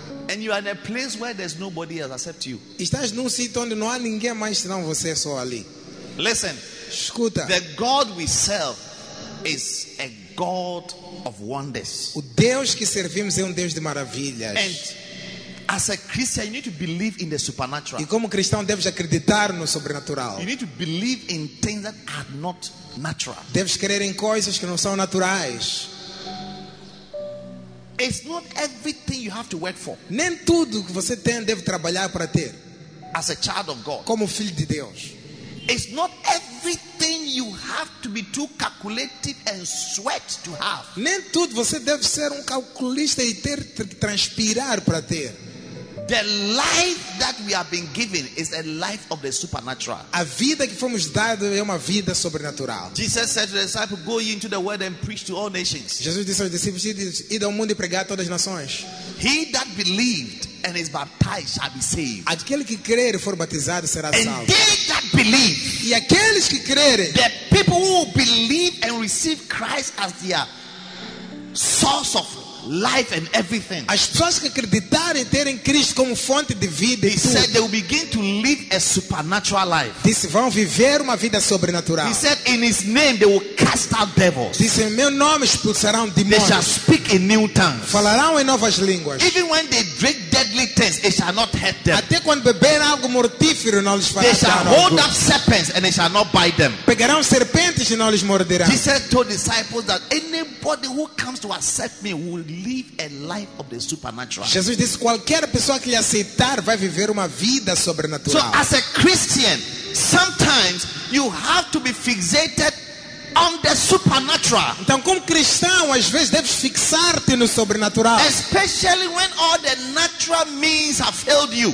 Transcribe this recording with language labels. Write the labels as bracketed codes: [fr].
[en] And you are in a place where there's nobody else except you. [pt] Estás num sítio onde não há ninguém mais senão você só ali. [en] Listen. [pt] Escuta. [en] The God we serve is a God of wonders. [pt] O Deus que servimos é Deus de maravilhas. [en] And as a Christian, you need to believe in the supernatural. [pt] E como cristão deves acreditar no sobrenatural. [en] You need to believe in things that are not natural. [pt] Deves crer em coisas que não são naturais. [en] It's not everything you have to work for. [pt] Nem tudo que você tem deve trabalhar para ter. [en] As a child of God. [pt] Como filho de Deus. [en] It's not everything you have to be too calculated and sweat to have. [pt] Nem tudo você deve ser calculista e ter transpirar para ter. [en] The life that we have been given is a life of the supernatural. [pt] A vida que fomos dado é uma vida sobrenatural. [en] Jesus said to the disciples, "Go ye into the world and preach to all nations." [pt] Jesus disse aos discípulos, "Ide ao mundo e pregai a todas as nações." [en] He that believed and is baptized shall be saved. [pt] Aquele que crer e for batizado será salvo. [en] And they that believe. [pt] E aqueles que crerem. [en] The people who believe and receive Christ as their source of life and everything. [pt] As pessoas que acreditarem terem Cristo como fonte de vida. [en] He said they will begin to live a supernatural life. [pt] Disse vão viver uma vida sobrenatural. [en] He said in his name they will cast out devils. [pt] Disse em meu nome expulsarão demônios. [en] They shall speak in new tongues. [pt] Falarão em novas línguas. [en] Even when they drink deadly things, it shall not hurt them. [pt] Até quando beber algo mortífero não lhes fará. [en] They shall hold up serpents and they shall not bite them. [pt] Pegarão serpentes e não lhes morderão. [en] He said to disciples that anybody who comes to accept me will live a life of the supernatural. [pt] Jesus disse qualquer pessoa que lhe aceitar vai viver uma vida sobrenatural. [en] So as a Christian, sometimes you have to be fixated on the supernatural. [pt] Então como cristão, às vezes deve fixar-te no sobrenatural. [en] Especially when all the natural means have failed you.